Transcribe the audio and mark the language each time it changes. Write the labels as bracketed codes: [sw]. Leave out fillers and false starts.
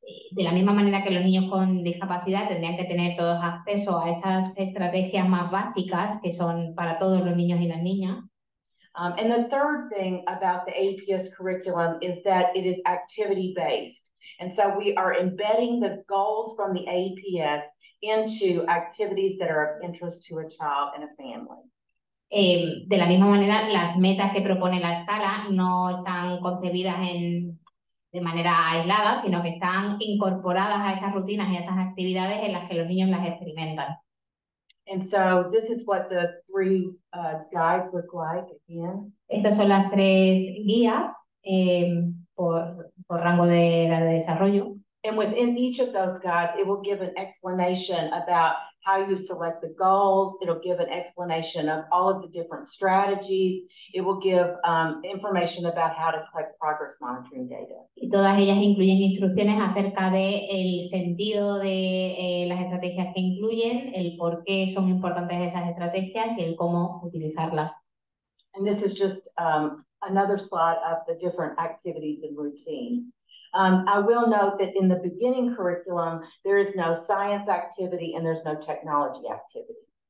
[es] De la misma manera que los niños con discapacidad tendrían que tener todos acceso a esas estrategias más básicas que son para todos los niños y las niñas. [en] And the third thing about the APS curriculum is that it is activity based. And so we are embedding the goals from the APS into activities that are of interest to a child and a family. [es] De la misma manera, las metas que propone la escala no están concebidas en de manera aislada, sino que están incorporadas a esas rutinas y a esas actividades en las que los niños las experimentan. [en] And so this is what the three guides look like again. [es] Estas son las tres guías por rango de edad de desarrollo. [en] And within each of those guides, it will give an explanation about how you select the goals. It'll give an explanation of all of the different strategies. It will give information about how to collect progress monitoring data. [es] Y todas ellas incluyen instrucciones acerca de el sentido de las estrategias que incluyen, el por qué son importantes esas estrategias y el cómo utilizarlas. [en] And this is just another slide of the different activities and routines. I will note that in the beginning curriculum, there is no science activity and there's no technology activity.